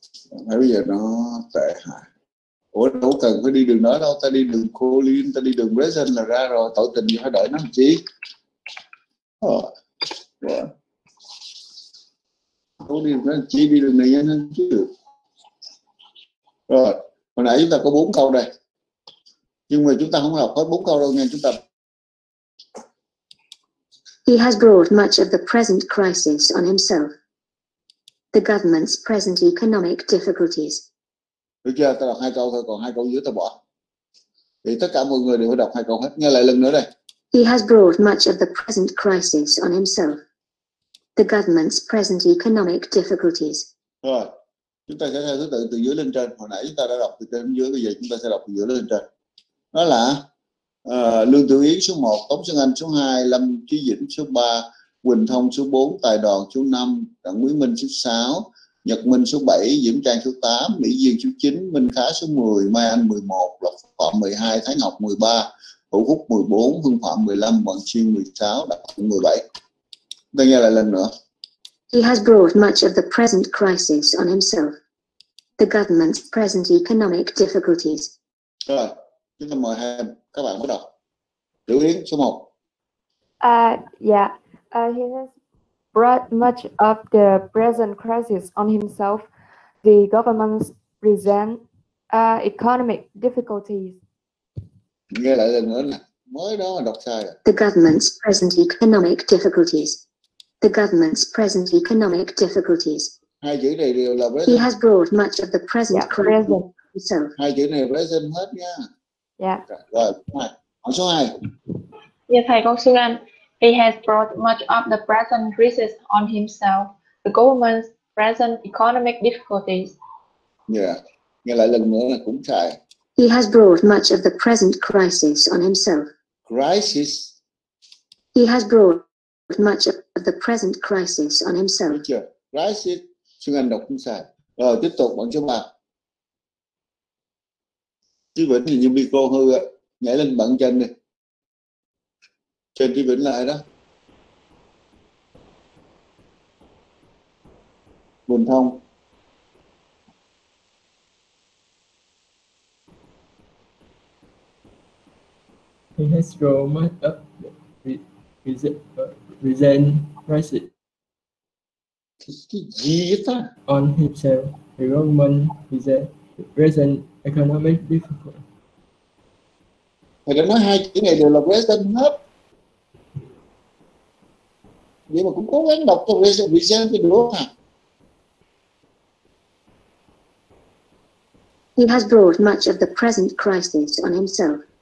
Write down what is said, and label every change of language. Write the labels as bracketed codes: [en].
[vi] Bây giờ nó tệ hại. Ủa đâu cần phải đi đường đó đâu, ta đi đường Colin, ta đi đường Bresen là ra rồi, tội tình gì phải đợi nó làm chi. Colin nó làm chi, đi đường này nhanh hơn chứ. Rồi, hồi nãy chúng ta có 4 câu đây. Nhưng mà chúng ta không học hết 4 câu đâu nha, chúng ta. [en] He has brought much of the present crisis on himself. The government's present economic difficulties. [vi] Được chưa? Ta đọc 2 câu thôi, còn 2 câu dưới ta bỏ. Thì tất cả mọi người đều phải đọc 2 câu hết. Nghe lại lần nữa đây. [en] He has brought much of the present crisis on himself. The government's present economic difficulties. [vi] Rồi, chúng ta sẽ theo thứ tự từ dưới lên trên. Hồi nãy chúng ta đã đọc từ trên dưới, bây giờ chúng ta sẽ đọc từ dưới lên trên. Đó là Lương Tiểu Yến số 1, Tống Xuân Anh số 2, Lâm Chí Dĩnh số 3, Quỳnh Thông số 4, Tài Đoàn số 5, Đặng Quý Minh số 6, Nhật Minh số 7, Diễm Trang số 8, Mỹ Duyên số 9, Minh Khá số 10, Mai Anh 11, Lộc Phạm 12, Thái Ngọc 13, Hữu Phúc 14, Hưng Phạm 15, Bọn Chiên 16, Đặng Quý 17. Ta nghe lại lần nữa. [en] He has brought much of the present crisis on himself. The government's present economic difficulties. [vi] Rồi, chúng ta mời hai các bạn bắt đầu. Tiểu Yến số 1. [en] He has brought much of the present crisis on himself, the government's present economic difficulties. [vi] Nghe lại lần nữa nè, mới đó mà đọc sai rồi. [en] The government's present economic difficulties. The government's present economic difficulties. [vi] Hai chữ này đều là present. [en] He has brought much of the present crisis on himself. [vi] Hai chữ này present hết nha. Dạ. Rồi, hỏi số 2. Dạ thầy, con xin anh. [en] He has brought much of the present crisis on himself, the government's present economic difficulties. [vi] Yeah, nghe lại lần nữa là cũng sai. [en] He has brought much of the present crisis on himself. Crisis. He has brought much of the present crisis on himself. [vi] Được chưa? Crisis, xin anh đọc cũng sai. Rồi, tiếp tục bằng số 3. Chí Vĩnh thì như micro hư á, nhảy lên bằng trên đi. Trên Chí Vĩnh lại đó. Bình Thông. [en] He has grown much of the present crisis. [vi] Cái gì ta? [en] On himself, the government is a present economic difficulty. [vi] Thầy đã nói hai chữ này đều là present hết. Nhưng mà cũng cố gắng đọc cho present thì đúng hả? [en] He has brought much of the present crisis on himself.